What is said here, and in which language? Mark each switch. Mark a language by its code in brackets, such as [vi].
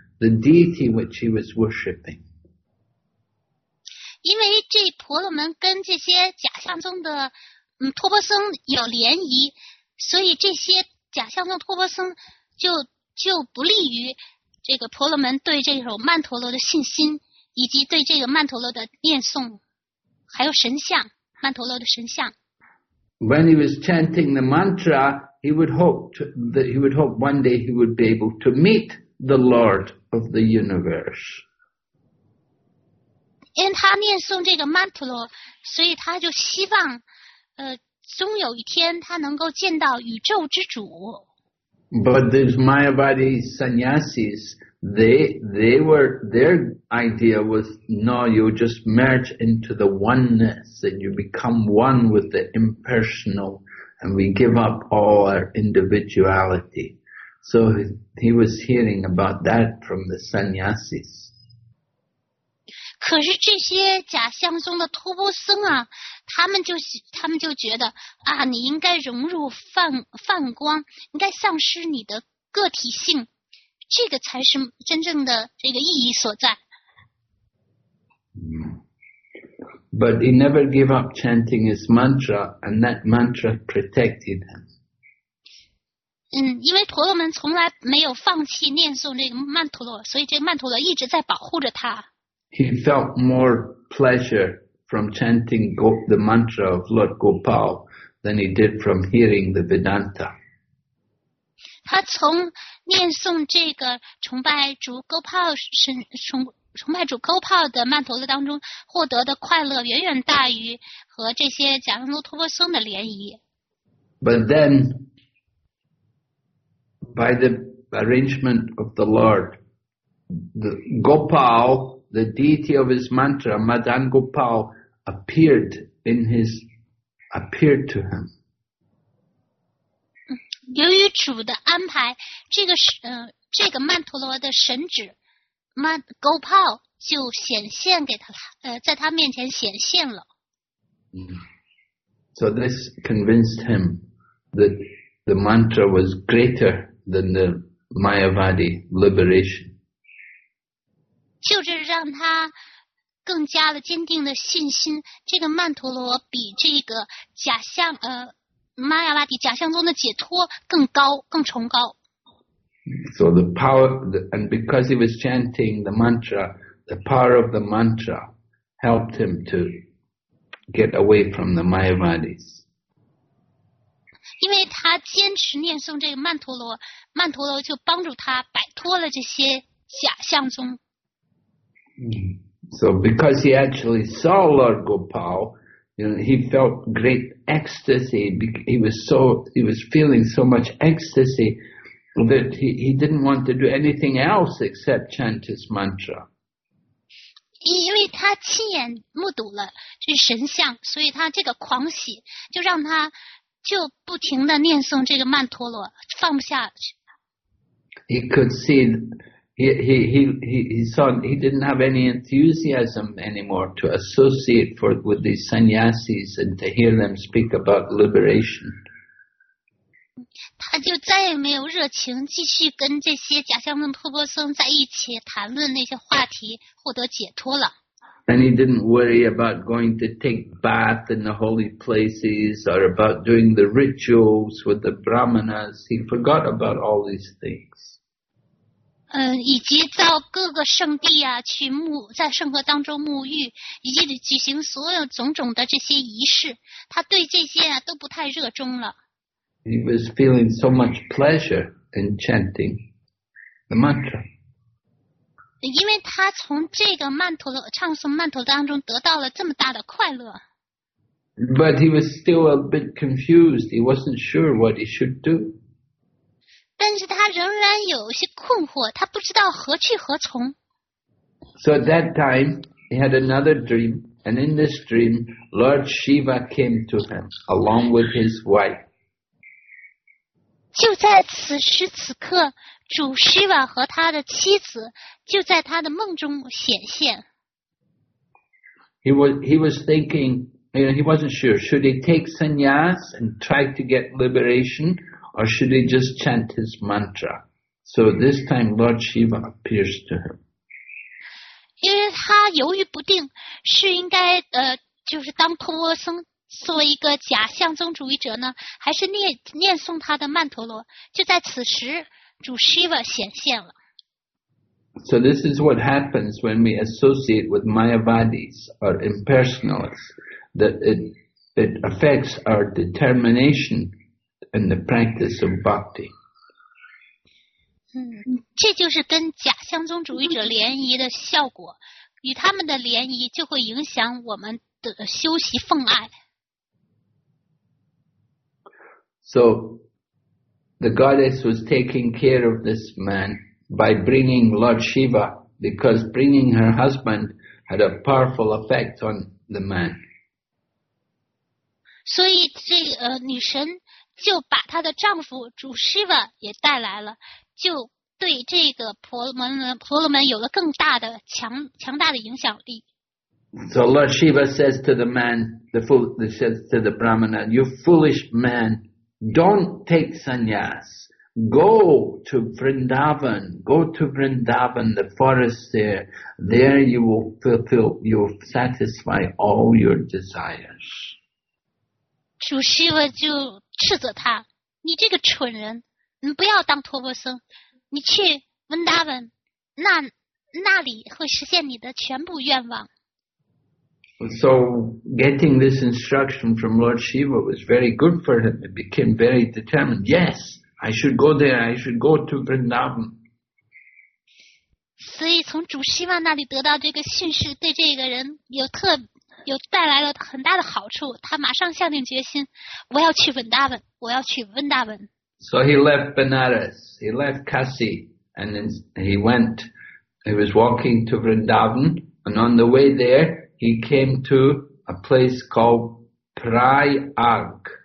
[en] the deity which he was worshipping. [zh] 因为这婆罗门跟这些假象中的托钵僧有联谊，所以这些假象中托钵僧就不利于这个婆罗门对这首曼陀罗的信心，以及对这个曼陀罗的念诵，还有神像，曼陀罗的神像。 [en] When he was chanting the mantra, he would hope that he would hope one day he would be able to meet the Lord of the universe. And [zh] 他念诵这个曼陀罗，所以他就希望，终有一天他能够见到宇宙之主。 [en] But these Mayavadi sannyasis, they were, their idea was, no, you just merge into the oneness and you become one with the impersonal and we give up all our individuality. So he was hearing about that from the sannyasis. [zh] 可是这些假象中的托钵僧啊，他们就觉得啊，你应该融入梵光，应该丧失你的个体性，这个才是真正的这个意义所在。 [en] But he never gave up chanting his mantra, and that mantra protected him. [zh] 因为婆罗门从来没有放弃念诵这个曼陀罗，所以这个曼陀罗一直在保护着他。 [en] He felt more pleasure from chanting the mantra of Lord Gopal than he did from hearing the Vedanta. [zh] 他从念诵这个崇拜主 Gopal 的曼陀罗当中获得的快乐远远大于和这些假象中托钵僧的联谊。 [en] But then, by the arrangement of the Lord, the Gopal, the deity of his mantra, Madan Gopal, appeared to him. [zh] 由于主的安排，这个曼陀罗的神旨 ，Gopal 就显现给他了，在他面前显现了。 [en] So this convinced him that the mantra was greater than the Mayavadi liberation. [zh] 就是让他更加的坚定的信心，这个曼陀罗比这个假象，玛雅瓦迪假象中的解脱更高，更崇高。 [en] So the power, and because he was chanting the mantra, the power of the mantra helped him to get away from the Mayavadis. [zh] 因为他坚持念诵这个曼陀罗，曼陀罗就帮助他摆脱了这些假象中。 [en] So because he actually saw Lord Gopal, you know, he felt great ecstasy. He was feeling so much ecstasy that he didn't want to do anything else except chant his mantra. [zh] 因为他亲眼目睹了这神像，所以他这个狂喜就让他就不停地念诵这个曼陀罗，放不下去。 [en] He could see. He didn't have any enthusiasm anymore to associate with these sannyasis and to hear them speak about liberation. [zh] 他就再也没有热情继续跟这些假象中托钵僧在一起谈论那些话题，获得解脱了。 [en] And he didn't worry about going to take bath in the holy places or about doing the rituals with the brahmanas. He forgot about all these things. [zh] 以及到各个圣地啊，去沐在圣河当中沐浴，以及举行所有种种的这些仪式，他对这些啊都不太热衷了。 [en] He was feeling so much pleasure in chanting the mantra. [zh] 因为他从这个曼陀罗唱诵曼陀罗当中得到了这么大的快乐。 [en] But he was still a bit confused. He wasn't sure what he should do. [zh] 但是他仍然有些困惑，他不知道何去何从。 [en] So at that time, he had another dream, and in this dream, Lord Shiva came to him along with his wife. [zh] 就在此时此刻，主 Shiva 和他的妻子就在他的梦中显现。 [en] He was thinking, you know, he wasn't sure, should he take sannyas and try to get liberation?Or should he just chant his mantra? So this time Lord Shiva appears to him. [zh] 因为他犹豫不定，是应该就是当托沃僧作为一个假象征主义者呢，还是念诵他的曼陀罗？就在此时，主 Shiva 显现了。 [en] So this is what happens when we associate with Mayavadis or impersonalists, that it affects our determination in the practice of bhakti. [zh] 这就是跟假象宗主义者联谊的效果，与他们的联谊就会影响我们的修习奉爱。 [en] So, the goddess was taking care of this man by bringing Lord Shiva, because bringing her husband had a powerful effect on the man. [zh] 所以这女神就把她的丈夫主 Shiva 也带来了，就对这个婆罗门有了更大的强大的影响力。 [en] So Lord Shiva says to the man, says to the Brahmana, "You foolish man, don't take sannyas. Go to Vrindavan. Go to Vrindavan, the forest there. There you will fulfill, you will satisfy all your desires." [zh] 主 Shiva 就斥责他，你这个蠢人。你不要当托钵僧，你去温达文，那里会实现你的全部愿望。 [en] So getting this instruction from Lord Shiva was very good for him. He became very determined. Yes, I should go there. I should go to Vrindavan. [zh] 所以从主希望那里得到这个训示，对这个人有带来了很大的好处。他马上下定决心，我要去温达文，我要去温达文。 [en] So he left Benares, he left Kasi, and then he went, he was walking to Vrindavan, and on the way there, he came to a place called Prayag.